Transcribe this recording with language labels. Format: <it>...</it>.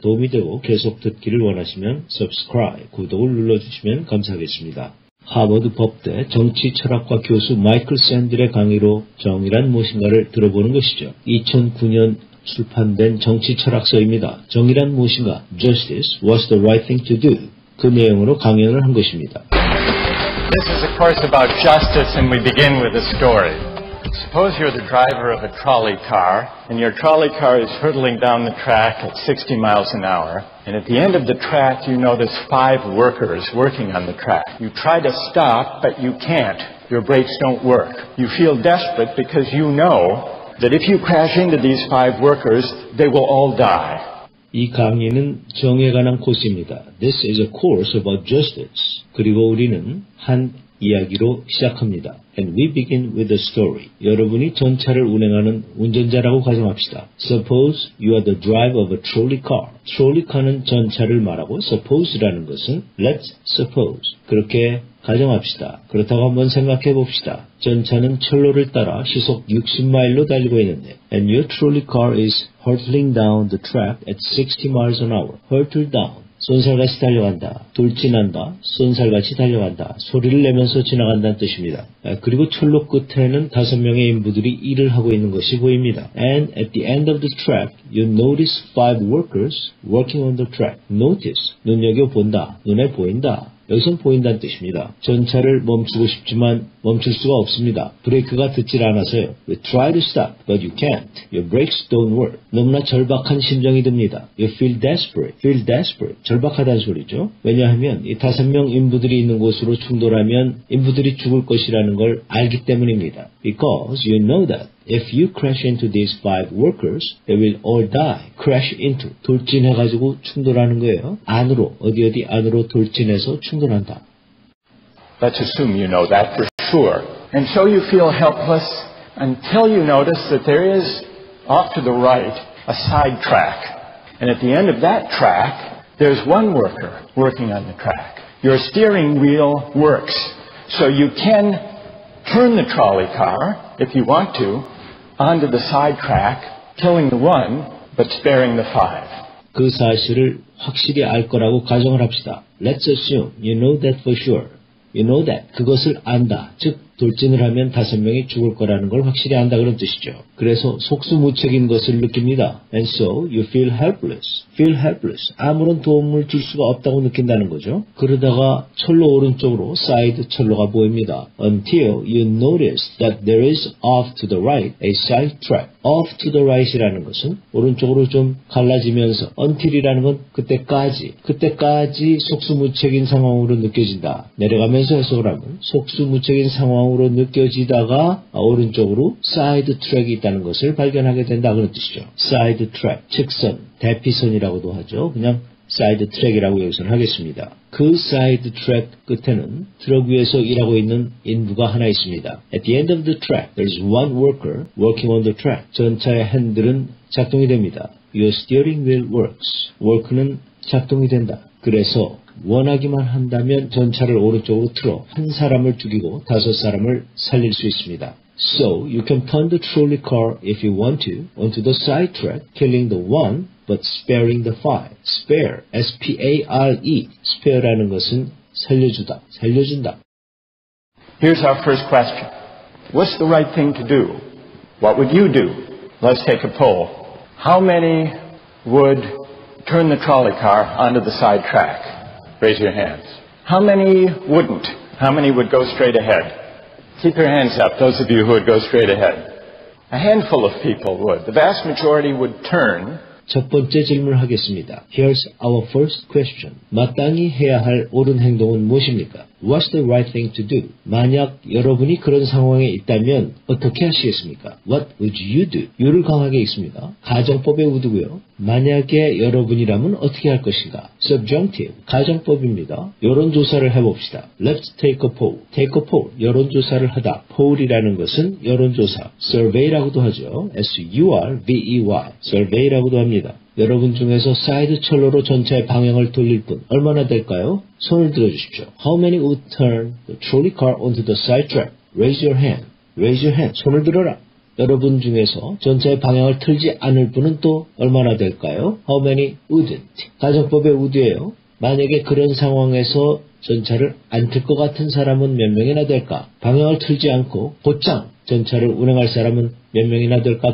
<ko>도움이 되고 계속 듣기를 원하시면 Subscribe, 구독을 눌러주시면 감사하겠습니다. 하버드 법대 정치 철학과 교수 마이클 샌들의 강의로 정의란 무엇인가를 들어보는 것이죠. 2009년 출판된 정치 철학서입니다. 정의란 무엇인가?</ko> <en>Justice, what's the right thing to do?</en> <ko>그 내용으로 강연을 한 것입니다.</ko> <en>This is a course about justice and we begin with a story. Suppose you're the driver of a trolley car and your trolley car is hurtling down the track at 60 miles an hour and at the end of the track you notice five workers working on the track. You try to stop but you can't. Your brakes don't work. You feel desperate because you know that if you crash into these five workers, they will all die.</en> <ko>이 강의는 정의에 관한 코스입니다.</ko> <en>This is a course about justice.</en> <ko>그리고 우리는 한 이야기로 시작합니다.</ko> <en>And we begin with a story.</en> <ko>여러분이 전차를 운행하는 운전자라고 가정합시다.</ko> <en>Suppose you are the driver of a trolley car.</en> <ko>Trolley car는 전차를 말하고 suppose라는 것은</ko> <en>let's suppose.</en> <ko>그렇게 가정합시다. 그렇다고 한번 생각해 봅시다. 전차는 철로를 따라 시속 60마일로 달리고 있는데</ko> <en>And your trolley car is hurtling down the track at 60 miles an hour. Hurtle down.</en> <ko>손살같이 달려간다, 돌진한다, 손살같이 달려간다, 소리를 내면서 지나간다는 뜻입니다. 그리고 철로 끝에는 다섯 명의 인부들이 일을 하고 있는 것이 보입니다.</ko> <en>And at the end of the track, you notice five workers working on the track.</en> <ko>Notice, 눈여겨본다, 눈에 보인다. 여기선 보인다는 뜻입니다. 전차를 멈추고 싶지만 멈출 수가 없습니다. 브레이크가 듣질 않아서요.</ko> <en>We try to stop, but you can't. Your brakes don't work.</en> <ko>너무나 절박한 심정이 듭니다.</ko> <en>You feel desperate. Feel desperate.</en> <ko>절박하다는 소리죠. 왜냐하면 이 다섯 명 인부들이 있는 곳으로 충돌하면 인부들이 죽을 것이라는 걸 알기 때문입니다.</ko> <en>Because you know that. If you crash into these five workers, they will all die. Crash into.</en> <ko>돌진해가지고 충돌하는 거예요. 안으로, 어디 안으로 돌진해서 충돌한다.</ko> <en>Let's assume you know that for sure. And so you feel helpless until you notice that there is, off to the right, a side track. And at the end of that track, there's one worker working on the track. Your steering wheel works. So you can turn the trolley car, if you want to, onto the side track, killing the one, but sparing the five.</en> <ko>그 사실을 확실히 알 거라고 가정을 합시다.</ko> <en>Let's assume you know that for sure. You know that.</en> <ko>그것을 안다. 즉, 돌진을 하면 다섯 명이 죽을 거라는 걸 확실히 안다 그런 뜻이죠. 그래서 속수무책인 것을 느낍니다.</ko> <en>And so you feel helpless. Feel helpless.</en> <ko>아무런 도움을 줄 수가 없다고 느낀다는 거죠. 그러다가 철로 오른쪽으로 사이드 철로가 보입니다.</ko> <en>Until you notice that there is off to the right a side track. Off to the right</en> <ko>이라는 것은 오른쪽으로 좀 갈라지면서 until이라는 건 그때까지 속수무책인 상황으로 느껴진다. 내려가면서 해석을 하면 속수무책인 상황으로 느껴지다가 오른쪽으로 사이드 트랙이 있다는 것을 발견하게 된다 그런 뜻이죠. 사이드 트랙, 측선, 대피선이라고도 하죠. 그냥 사이드 트랙이라고 여기서는 하겠습니다. 그 사이드 트랙 끝에는 트럭 위에서 일하고 있는 인부가 하나 있습니다.</ko> <en>At the end of the track, there is one worker working on the track.</en> <ko>전차의 핸들은 작동이 됩니다.</ko> <en>Your steering wheel works. Work는</en> <ko>작동이 된다. 그래서 원하기만 한다면 전차를 오른쪽으로 틀어 한 사람을 죽이고 다섯 사람을 살릴 수 있습니다.</ko> <en>So you can turn the trolley car if you want to onto the side track, killing the one but sparing the five.</en> <ko>Spare, S-P-A-R-E. Spare라는 것은 살려주다, 살려준다.</ko> <en>Here's our first question. What's the right thing to do? What would you do? Let's take a poll. How many would turn the trolley car onto the side track? Raise your hands. How many wouldn't? How many would go straight ahead? Keep your hands up, those of you who would go straight ahead. A handful of people would. The vast majority would turn,</en> <ko>첫 번째 질문을 하겠습니다.</ko> <en>Here's our first question.</en> <ko>마땅히 해야 할 옳은 행동은 무엇입니까?</ko> <en>What's the right thing to do?</en> <ko>만약 여러분이 그런 상황에 있다면 어떻게 하시겠습니까?</ko> <en>What would you do?</en> <ko>요를 강하게 읽습니다. 가정법의 우드고요. 만약에 여러분이라면 어떻게 할 것인가?</ko> <en>Subjunctive.</en> <ko>가정법입니다. 여론조사를 해봅시다.</ko> <en>Let's take a poll. Take a poll.</en> <ko>여론조사를 하다. Poll이라는 것은 여론조사. Survey라고도 하죠. S-U-R-V-E-Y. Survey라고도 합니다. 여러분 중에서 사이드 철로로 전차의 방향을 돌릴 분 얼마나 될까요? 손을 들어주십시오.</ko> <en>How many would turn the trolley car onto the side track? Raise your hand. Raise your hand.</en> <ko>손을 들어라. 여러분 중에서 전차의 방향을 틀지 않을 분은 또 얼마나 될까요?</ko> <en>How many wouldn't?</en> <ko>가정법의 would예요. 만약에 그런 상황에서 전차를 안 틀 것 같은 사람은 몇 명이나 될까? 방향을 틀지 않고 곧장 전차를 운행할 사람은 몇 명이나 될까?</ko>